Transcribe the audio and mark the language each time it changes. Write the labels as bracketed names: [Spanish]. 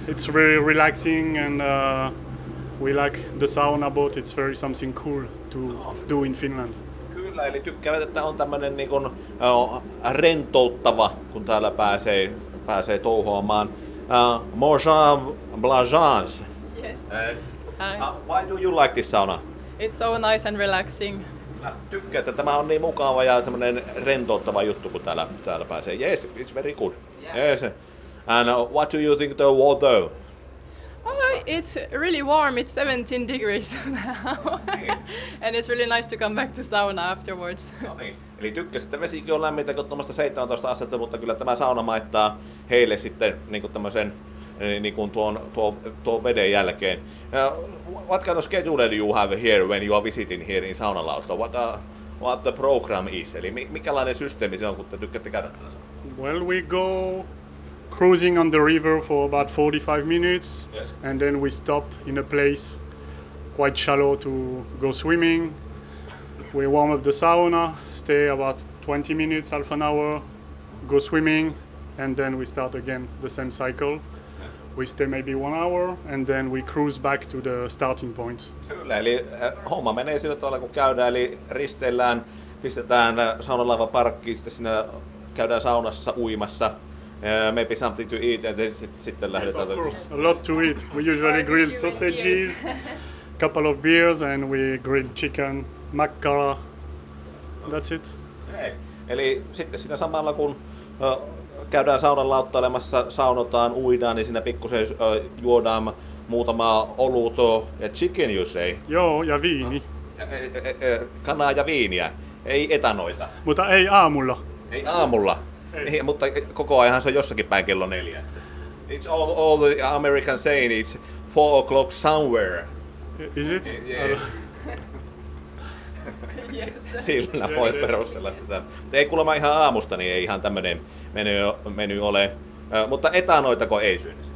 [English] It's really relaxing and we like the sauna boat. It's very something cool to do in Finland. [Finnish] Kyllä, eli tykkäävät, että on tämmönen niin kuin, rentouttava, kun täällä pääsee touhoamaan. Mojan Blajans. [English] Yes. Why do you like this sauna? It's so nice and relaxing. [Finnish] Mä tykkään, että tämä on niin mukava ja tämmönen rentouttava juttu, kun täällä pääsee. [English] Yes, it's very good. Yeah. Yes. And what do you think the water? Oh, it's really warm. It's 17 degrees now. And it's really nice to come back to sauna afterwards. [Finnish] No niin. Eli tykkäsit, että vesikin on lämmintä kuin tuommoista 17 astetta, mutta kyllä tämä sauna maittaa heille sitten niin kuin tämmöisen niin kuin tuo veden jälkeen. [English] What kind of schedule do you have here when you are visiting here in Saunalauta? What the program is? [Finnish] Eli mikälainen systeemi se on, kun te tykkäätte käydä? [English] Well, we go cruising on the river for about 45 minutes. Yes. And then we stopped in a place quite shallow to go swimming. We warm up the sauna, stay about 20 minutes, half an hour, go swimming, and then we start again the same cycle. We stay maybe 1 hour and then we cruise back to the starting point. [Finnish] Kyllä, eli homma menee sillä tavalla, kun käydään, eli risteillään, pistetään saunalaiva parkkiin, sitten siinä käydään saunassa uimassa, [English] maybe something to eat, [Finnish] ja sitten lähdetään. [English] Yes, of course, a lot to eat. We usually grill sausages, couple of beers, and we grill chicken, makkara, that's it. Yes. [Finnish] Eli sitten siinä samalla, kun käydään saunan lauttailemassa, saunotaan, uidaan, niin siinä pikkusen juodaan muutama olut ja [English] chicken, you say? [Finnish] Joo, ja viini. Kanaa ja viiniä, ei etanoita. Mutta ei aamulla. Ei aamulla, ei. Ei, mutta koko ajan se on jossakin päin kello 4. [English] It's all the American saying, it's 4 o'clock somewhere. Is it? Yes. [Finnish] Sillä voi perustella sitä. Mutta ei kuulemma ihan aamusta, niin ei ihan tämmöinen menu ole. Mutta etanoitako ei syy?